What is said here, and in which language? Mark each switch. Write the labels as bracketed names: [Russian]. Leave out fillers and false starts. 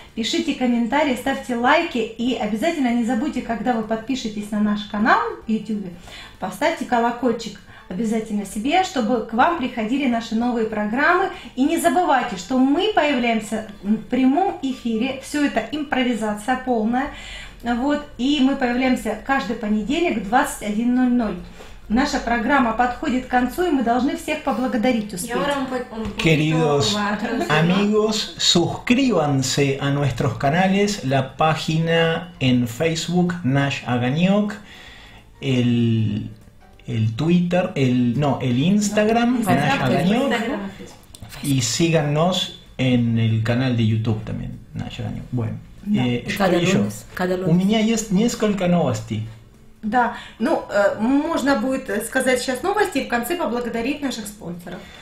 [Russian] Пишите комментарии, ставьте лайки. И обязательно не забудьте, когда вы подпишетесь на наш канал в YouTube, поставьте колокольчик обязательно себе, чтобы к вам приходили наши новые программы. И не забывайте, что мы появляемся в прямом эфире. Все это импровизация полная. Вот, и мы появляемся каждый понедельник в 21:00. Наша программа подходит к концу, и мы должны всех поблагодарить успеть. [Spanish] Queridos amigos, suscríbanse a nuestros canales, la página en Facebook, Nash Aganiok, el Twitter, el Instagram, Nash Aganiok, y síganos en el canal de YouTube también, Nash Aganiok. Bueno. Кадалунс. [Russian] У меня есть несколько новостей. Да, ну можно будет сказать сейчас новости и в конце поблагодарить наших спонсоров.